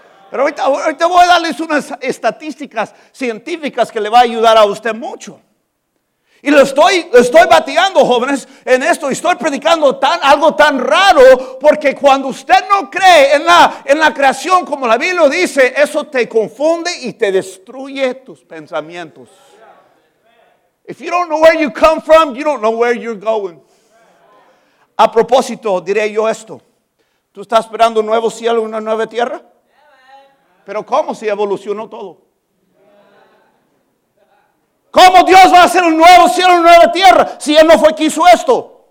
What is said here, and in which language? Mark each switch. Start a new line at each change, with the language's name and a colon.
Spanish: Pero ahorita voy a darles unas estadísticas científicas que le va a ayudar a usted mucho. Y lo estoy bateando, jóvenes, en esto. Y estoy predicando algo tan raro, porque cuando usted no cree en la creación como la Biblia dice, eso te confunde y te destruye tus pensamientos.
English: If you don't know where you come from, you don't know where you're going.
Spanish: A propósito, diré yo esto: ¿tú estás esperando un nuevo cielo y una nueva tierra? ¿Pero cómo si evolucionó todo? ¿Cómo Dios va a hacer un nuevo cielo y una nueva tierra si Él no fue quien hizo esto?